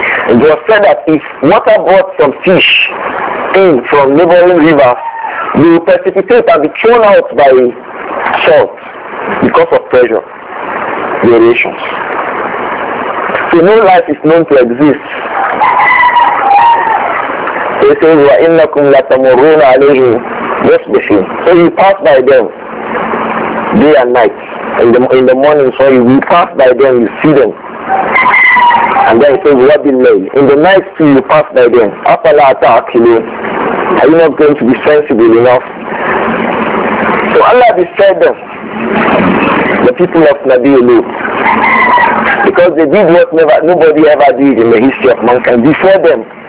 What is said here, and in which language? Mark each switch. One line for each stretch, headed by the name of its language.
English: It was said that if water brought some fish in from neighboring rivers, they will precipitate and be thrown out by salt because of pressure variations. So no life is known to exist. They say,
Arabic: وَإِنَّكُمْ لَتَمُرُّونَ عَلَيْهِمْ مُصْبِحِينَ.
English: So you pass by them day and night. In the morning, so you pass by them, you see them. And then he says, what did they? In the night too, you pass by them.
Arabic: Afala ta'akilu.
English: Are you not going to be sensible enough? So Allah destroyed them, the people of Nabi Yunus, because they did what nobody ever did in the history of mankind before them.